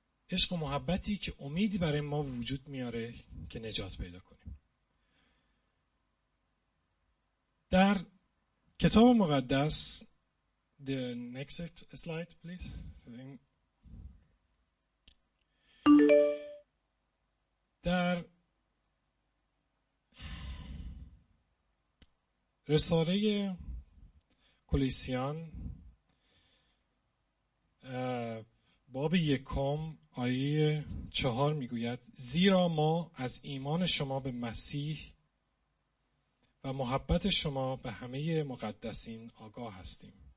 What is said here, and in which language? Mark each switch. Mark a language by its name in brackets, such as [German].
[Persian] عشق و محبتی که امیدی برای ما وجود میاره که نجات پیدا کنیم. در کتاب مقدس [English] The next slide please. [Persian] در رساله کلیسیان باب یکم آیه 4 میگوید زیرا ما از ایمان شما به مسیح و محبت شما به همه مقدسین آگاه هستیم.